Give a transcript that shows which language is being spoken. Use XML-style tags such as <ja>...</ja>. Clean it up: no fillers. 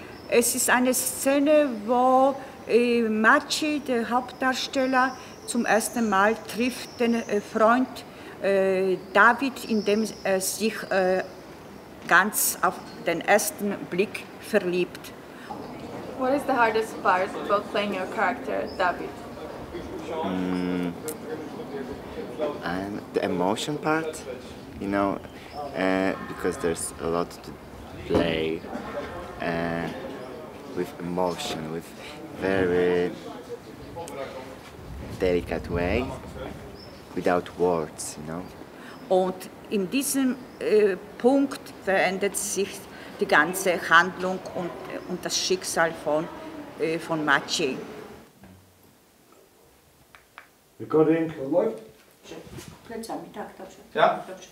<de>Es ist eine Szene, wo Maciej, der Hauptdarsteller, zum ersten Mal trifft den Freund David, in dem er sich ganz auf den ersten Blick verliebt.</de> <en>What is the hardest part about playing your character, David? The emotion part, you know, because there's a lot to play with emotion, with very delicate way, without words, you know.</en> <de>Und in diesem Punkt verändert sich die ganze Handlung und das Schicksal von Maciej.</de> <en>Recording.</en> <de>Mittag, ja.</de>